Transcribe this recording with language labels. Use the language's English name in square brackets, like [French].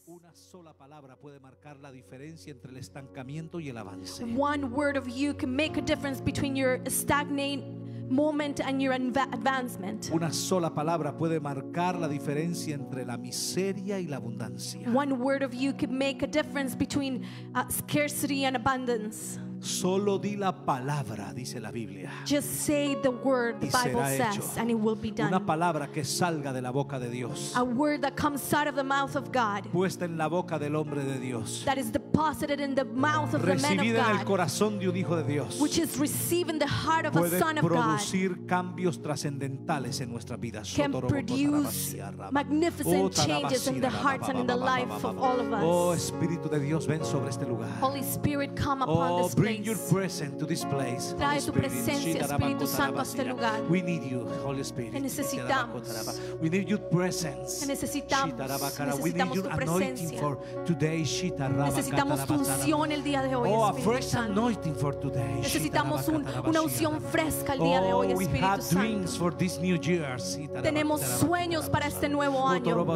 [Spanish] Una sola palabra puede marcar la diferencia entre el estancamiento y el avance. [English] One word of you can make a difference between your stagnant moment and your advancement. [Spanish] Una sola palabra puede marcar la diferencia entre la miseria y la abundancia. [English] One word of you can make a difference between scarcity and abundance. [Spanish] Solo di la palabra, dice la Biblia. [English] Just say the word, the Bible says, and it will be done. [Spanish] Una palabra que salga de la boca de Dios. [English] A word that comes out of the mouth of God. [Spanish] Puesta en la boca del hombre de Dios. [English] That is deposited in the mouth of the man of God. [Spanish] Recibida en el corazón de un hijo de Dios. [English] Which is received in the heart of a son of God. [Spanish] Puede producir cambios trascendentales en nuestra vida. [English] Can produce magnificent changes in the hearts and in the life of all of us. [Spanish] Oh, Espíritu de Dios, ven sobre este lugar. [English] Holy Spirit, come upon this place. Bring your presence to this place. [Spanish] Trae tu presencia, Espíritu Santo, a este lugar. [English] We need you, Holy Spirit. [Spanish] Te necesitamos. [English] We need your presence. [Spanish] Necesitamos. [English] We need your anointing for today. [Spanish] Necesitamos tu unción el día de hoy, Espíritu Santo. [English] Oh, a fresh anointing for today. [Spanish] Necesitamos una unción fresca el día de hoy, Espíritu Santo. [English] Oh, we have dreams for this new year. [Spanish] Tenemos sueños para este nuevo año.